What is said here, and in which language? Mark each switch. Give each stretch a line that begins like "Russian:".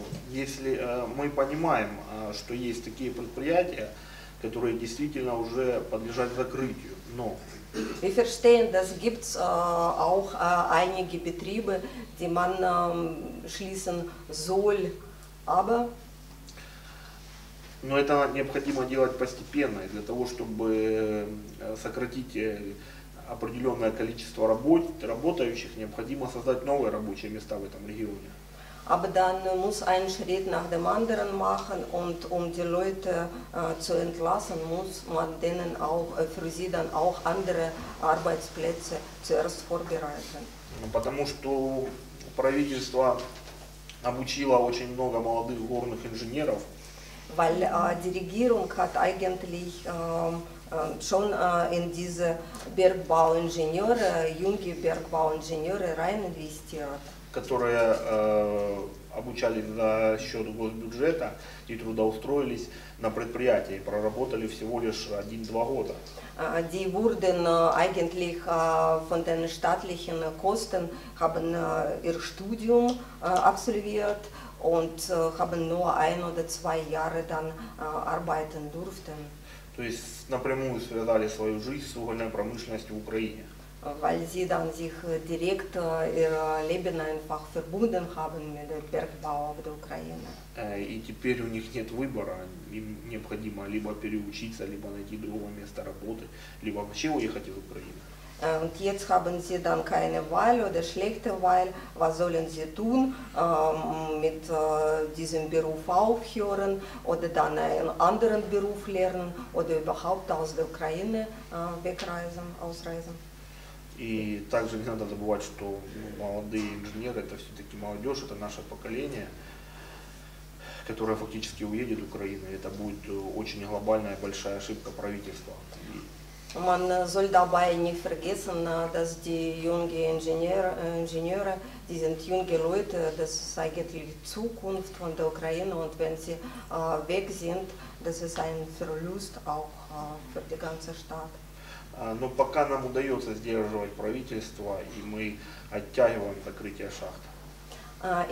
Russian: Если мы понимаем, что есть такие предприятия, которые действительно уже подлежат закрытию, но...
German: Wir verstehen, dass gibt es auch einige Betriebe, die man schließen soll, aber...
Russian: Но это необходимо делать постепенно, для того, чтобы сократить определенное количество работающих, необходимо создать новые рабочие места в этом регионе.
German: Aber dann muss ein Schritt nach dem anderen machen und um die Leute zu entlassen, muss man denen auch für sie dann auch andere Arbeitsplätze zuerst vorbereiten.
Russian: Потому что правительство обучило очень много молодых горных инженеров.
German: Weil die Regierung hat eigentlich schon in diese Bergbauingenieure, junge Bergbauingenieure rein investiert.
Russian: Которые обучались за счет госбюджета и трудоустроились на предприятии, проработали всего лишь 1-2 года.
German: Die wurden eigentlich von den staatlichen Kosten, haben ihr Studium absolviert und haben nur 1 oder 2 Jahre dann arbeiten durften.
Russian: То есть напрямую связали свою жизнь с угольной промышленностью в Украине.
German: Weil sie dann sich direkt ihr Leben einfach verbunden haben mit dem Bergbau auf der Ukraine.
Russian: И теперь у них нет выбора, им необходимо либо переучиться, либо найти другое место работы, либо вообще уехать из Украины.
German: Und jetzt haben sie dann keine Wahl oder schlechte Wahl, was sollen sie tun, mit diesem Beruf aufhören oder dann einen anderen Beruf lernen oder überhaupt aus der Ukraine wegreisen, ausreisen.
Russian: И также не надо забывать, что молодые инженеры – это все-таки молодежь, это наше поколение, которое фактически уедет в Украину. Это будет очень глобальная большая ошибка правительства.
German: Man soll dabei nicht vergessen, dass die jungen Ingenieure, die sind junge Leute, das ist eigentlich die Zukunft von der Ukraine. Und wenn sie weg sind, das ist ein Verlust auch für die ganze Stadt.
Russian: Но пока нам удается сдерживать правительство, и мы оттягиваем закрытие шахт.